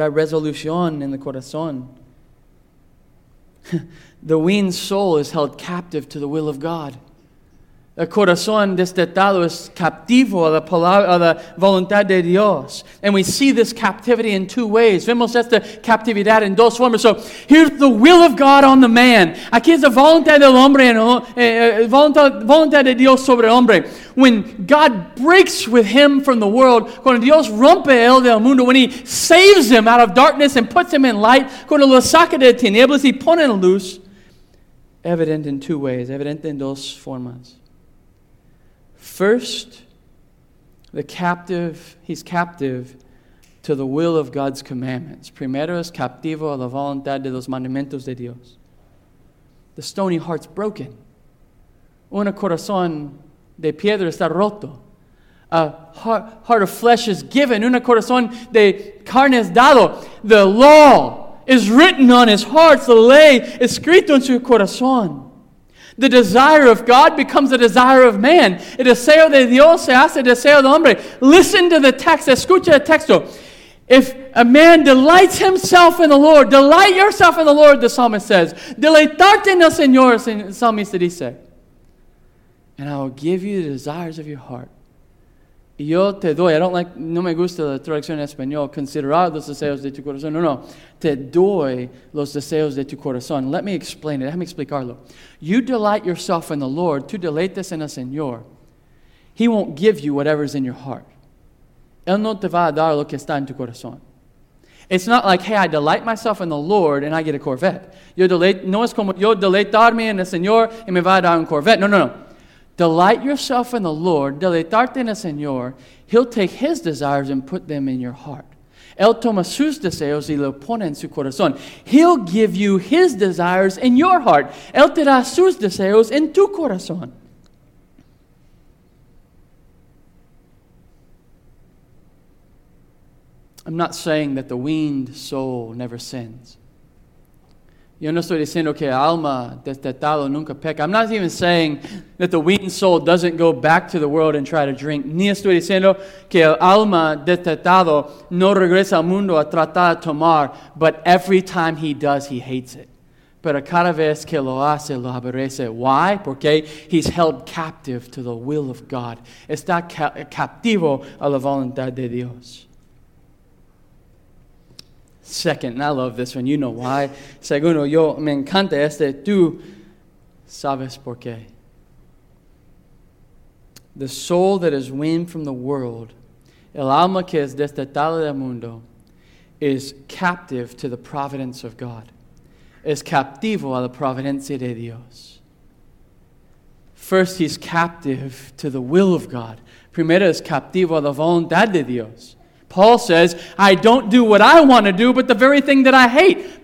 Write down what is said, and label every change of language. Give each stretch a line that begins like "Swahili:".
Spanish: Hay resolución en el corazón.
English: The weaned soul is held captive to the will of God.
Spanish: El corazón destetado es captivo a la palabra, a la voluntad de Dios.
English: And we see this captivity in two ways.
Spanish: Vemos esta captividad en dos formas.
English: So here's the will of God on the man.
Spanish: Aquí es la voluntad del hombre, voluntad de Dios sobre el hombre.
English: When God breaks with him from the world,
Spanish: cuando Dios rompe él del mundo,
English: when he saves him out of darkness and puts him in light,
Spanish: cuando lo saca de tinieblas y pone en luz,
English: evident in two ways, evident in
Spanish: dos formas.
English: First, he's captive to the will of God's commandments.
Spanish: Primero es captivo a la voluntad de los mandamientos de Dios.
English: The stony heart's broken.
Spanish: Un corazón de piedra está roto.
English: a heart of flesh is given,
Spanish: un corazón de carne es dado.
English: The law is written on his heart, the
Spanish: ley escrito en su corazón.
English: The desire of God becomes the desire of man.
Spanish: El deseo de Dios se hace deseo del hombre.
English: Listen to the text,
Spanish: escucha el texto.
English: If a man delights himself in the Lord, delight yourself in the Lord, the psalmist says.
Spanish: Deleitarte en el Señor, el psalmista dice.
English: And I will give you the desires of your heart.
Spanish: Yo te doy, no me gusta la traducción en español, considerar los deseos de tu corazón. No, no, te doy los deseos de tu corazón.
English: Let me explain it,
Spanish: déjame explicarlo.
English: You delight yourself in the Lord,
Spanish: tú deleites en el Señor.
English: He won't give you whatever's in your heart.
Spanish: Él no te va a dar lo que está en tu corazón.
English: It's not like, hey, I delight myself in the Lord and I get a Corvette.
Spanish: No es como yo deleitarme en el Señor y me va a dar un Corvette. No, no, no.
English: Delight yourself in the Lord,
Spanish: deleitarte en el Señor,
English: he'll take his desires and put them in your heart.
Spanish: Él toma sus deseos y lo pone en su corazón.
English: He'll give you his desires in your heart.
Spanish: Él te da sus deseos en tu corazón.
English: I'm not saying that the weaned soul never sins.
Spanish: Yo no estoy diciendo que alma destetado nunca peca.
English: I'm not even saying that the weaned soul doesn't go back to the world and try to drink.
Spanish: Ni estoy diciendo que el alma destetado no regresa al mundo a tratar de tomar.
English: But every time he does, he hates it.
Spanish: Pero cada vez que lo aborrece.
English: Why?
Spanish: Porque
English: he's held captive to the will of God.
Spanish: Está captivo a la voluntad de Dios.
English: Second, and I love this one, you know why.
Spanish: Segundo, yo me encanta este, tú sabes por qué.
English: The soul that is weaned from the world,
Spanish: el alma que es destetada del mundo,
English: is captive to the providence of God.
Spanish: Es captivo a la providencia de Dios.
English: First, he's captive to the will of God.
Spanish: Primero, es captivo a la voluntad de Dios.
English: Paul says, I don't do what I want to do, but the very thing that I hate.